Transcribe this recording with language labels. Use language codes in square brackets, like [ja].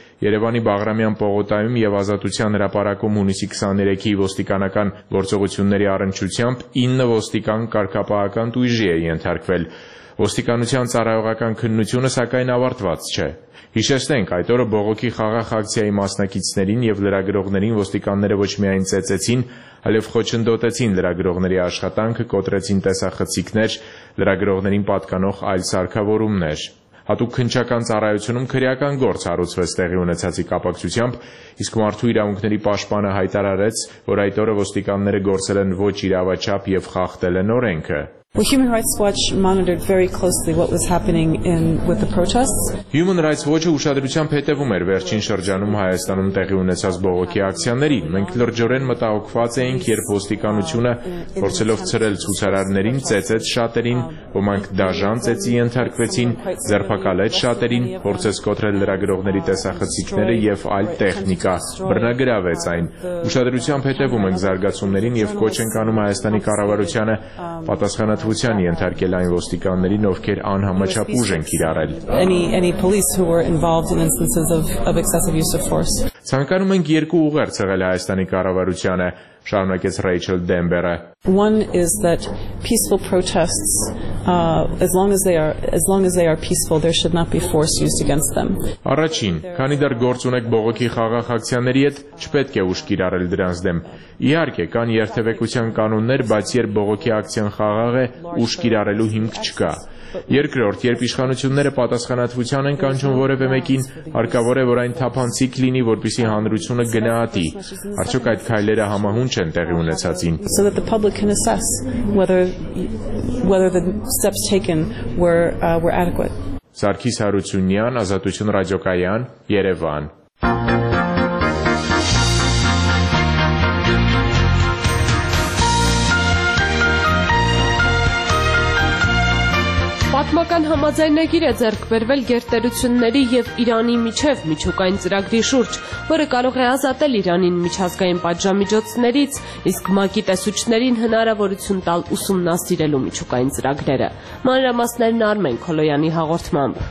[hy] Երևանի Բաղրամյան պողոտայում և ազատության հրապարակում հունիսի 23-ի ոստիկանական գործողությունների առնչությամբ 9 ոստիկան կարգապահական տույժի է ենթարկվել։ Ոստիկանության ծառայողական քննությունը, սակայն, ավարտված չէ։ Հիշեցնենք, այդ օրը բողոքի խաղաղ ակցիայի մասնակիցներին և լրագրողներին ոստիկանները ոչ միայն ծեծեցին, այլև խոչընդոտեցին լրագրողների աշխատանքը, կոտրեցին տեսախցիկներ, լրագրողներին պատկանող այլ սարքավորումներ։ Հատուկ քնչական ծառայությունում քրեական գործ հարուցվեց տեղի ունեցածի կապակցությամբ, իսկ մարդու իրավունքների պաշտպանը հայտարարեց, որ այդ օրը ոստիկանները գործել են ոչ իրավաչափ և խախտել են օրենքը. [en] Well, Human Rights Watch monitored very closely what was happening in with the protests. [hy] Human Rights Watch-ը ուշադրությամբ հետևում էր վերջին շրջանում Հայաստանում տեղի ունեցած բողոքի ակցիաներին։ Մենք լրջորեն մտահոգված էինք, երբ ոստիկանությունը, փորձելով ցրել ցուցարարներին, ծեցեց շատերին, ոմանք դաժան ծեցի ենթարկվեցին, ձերբակալեց շատերին, փորձեց կոտրել լրագրողների տեսախցիկները եւ այլ տեխնիկա, բռնագրավեց այն։ Ուշադրությամբ հետևում ենք զարգացումներին եւ կոչ ենք անում Հայաստանի կառավարությանը պատասխան Հանրության ենթարկել այն ոստիկաններին, ովքեր անհամաչափ ուժ են կիրառել։ Ցանկանում ենք երկու ուղեր ցեղել Հայաստանի կառավարությանը, շարունակեց Ռեյչել Դեմբերը։ [en] One is that peaceful protests, as long as they are peaceful, there should not be force used against them. [hy] Առաջին, քանի դեռ գործ ունեք բողոքի խաղաղ ակցիաների հետ, չպետք է ուշ կիրառել դրանց դեմ։ Իհարկե, կան երթևեկության կանոններ, բայց երբ բողոքի ակցիան խաղաղ է, ուշ կիրառելու հիմք չկա։ Երկրորդ, երբ իշխանությունները պատասխանատվության են կանչում որևէ մեկին, հարկավոր է, որ այն թափանցիկ լինի, որպեսզի հանրությունը գնահատի, արդյոք այդ քայլերը համահունչ են տեղի ունեցածին։ [en] So that the public can assess whether the steps taken were adequate. [hy] Սարգիս Հարությունյան, Ազատություն ռադիոկայան, Երևան։ Պատմական համաձայնագիր է ձեռք բերվել գերտերությունների եւ Իրանի միջև միջուկային ծրագրի շուրջ, որը կարող է ազատել Իրանին միջազգային պատժամիջոցներից, իսկ ՄԱԿ-ի տեսուչներին հնարավորություն տալ ուսումնասիրելու միջուկային ծրագրերը։ Մանրամասներն Արմեն Քոլոյանի հաղորդմամբ։